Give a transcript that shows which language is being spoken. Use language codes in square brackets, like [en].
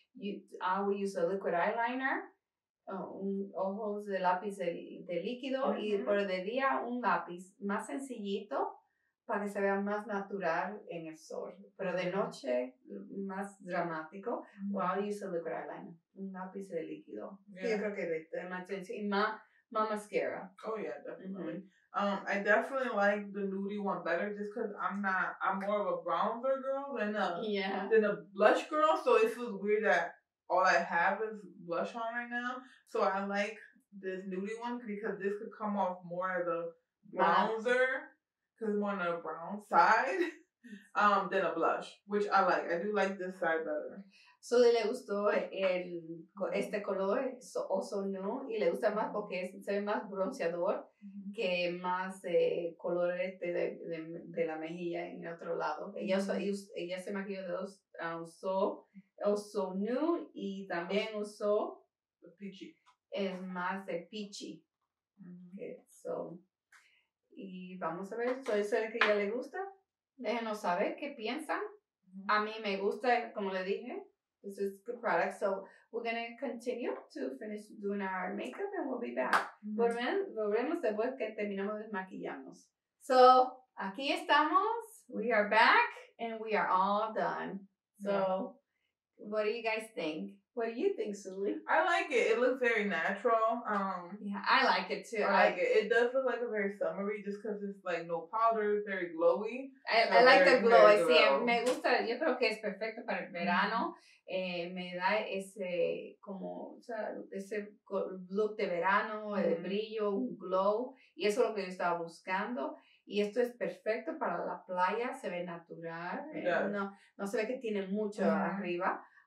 [en] We use a liquid eyeliner. [es] Ojos de lápiz de líquido y por de día un lápiz más sencillito para que se vea más natural en el sol, pero de noche más dramático. [en] I'll use a liquid eyeliner, [es] un lápiz de líquido. Yeah. Yo creo que de más sencillo y más mascara. [en] Oh yeah, definitely. I definitely like the nudie one better just because I'm more of a bronzer girl than a blush girl, so it feels weird that all I have is blush on right now. So I like this nudie one because this could come off more as a bronzer, because it's more on a brown side than a blush, which I like. I do like this side better. [es] So le gustó este color, so also no, y le gusta más porque se ve más bronceador que más colores de la mejilla en el otro lado. Ella se maquilló de dos, usó also no y también usó [en] the peachy. [es] Es más de peachy. Okay, so y vamos a ver, so eso es el que ella le gusta. Déjenos saber qué piensan. A mí me gusta, como le dije. [en] This is good product. So we're going to continue to finish doing our makeup and we'll be back. Mm-hmm. [es] Volveremos después que terminamos de maquillarnos. So, aquí estamos. [en] We are back and we are all done. So, yeah. What do you guys think? What do you think, Sully? I like it. It looks very natural. Yeah, I like it too. I like it. It does look like a very summery just because it's like no powder, very glowy. I like the glow. I see. [es] Me gusta. Yo creo que es perfecto para el verano. Me da ese como, o sea, ese look de verano, el brillo, un glow. Y eso es lo que yo estaba buscando. Y esto es perfecto para la playa. Se ve natural. No se ve que tiene mucho arriba.